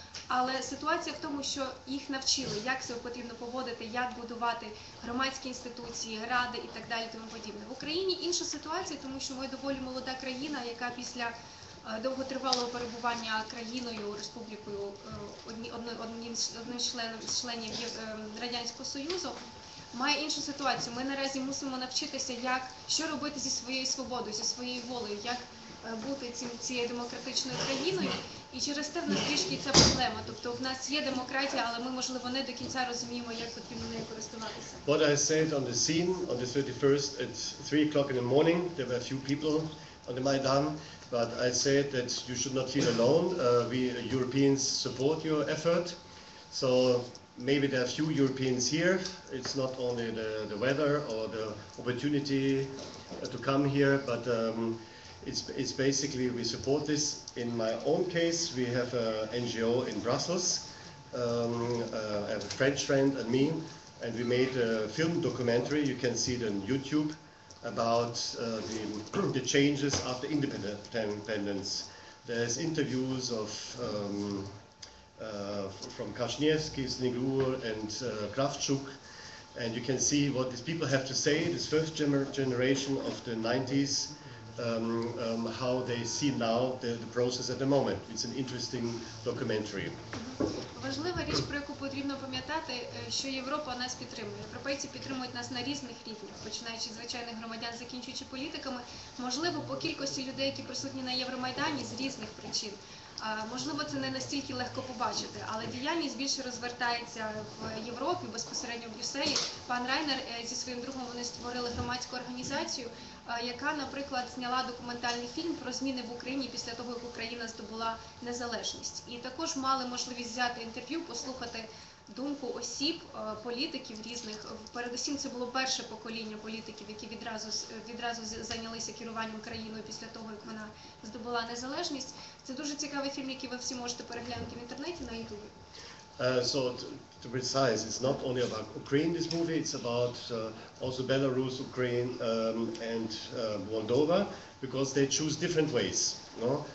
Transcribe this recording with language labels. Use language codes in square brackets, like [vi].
[uk] Але ситуація в тому, що їх навчили, як себе потрібно поводити, як будувати громадські інституції, ради і так далі, тому подібне. В Україні інша ситуація, тому що ми доволі молода країна, яка після довготривалого перебування країною, республікою, одним з членів Радянського Союзу, має іншу ситуацію. Ми наразі мусимо навчитися, як, що робити зі своєю свободою, зі своєю волею, як бути цією демократичною країною. І через те в нас трішки ця проблема. Тобто в нас є демократія, але ми, можливо, не до кінця розуміємо, як потрібно нею користуватися. [en] What I said on the scene on the 31st at 3 o'clock in the morning, there were a few people on the Maidan, but I said that you should not feel alone. We Europeans support your effort. So maybe there are a few Europeans here. It's not only the weather or the opportunity to come here, but it's basically we support this. In my own case, we have an NGO in Brussels, a French friend and me, and we made a film documentary, you can see it on YouTube, about the changes after independence. There's interviews of from Kashnievsky, Sniglur, and Kravchuk, and you can see what these people have to say, this first generation of the 90s, how they see now the process at the moment. It's an interesting documentary. [uk] Важлива річ, про яку потрібно пам'ятати, що Європа нас підтримує. Європейці підтримують нас на різних рівнях, починаючи з звичайних громадян, закінчуючи політиками. Можливо, по кількості людей, які присутні на Євромайдані, з різних причин. Можливо, це не настільки легко побачити, але діяльність більше розвертається в Європі, безпосередньо в Брюсселі. Пан Райнер зі своїм другом, вони створили громадську організацію, яка, наприклад, зняла документальний фільм про зміни в Україні після того, як Україна здобула незалежність. І також мали можливість взяти інтерв'ю, послухати думку осіб, політиків різних. Передусім, це було перше покоління політиків, які відразу зайнялися керуванням країною після того, як вона здобула незалежність. Це дуже цікавий фільм, який ви всі можете переглянути в інтернеті на YouTube. [en] So to precise, it's not only about Ukraine, this movie, it's about also Belarus, Ukraine and Moldova, because they choose different ways. No?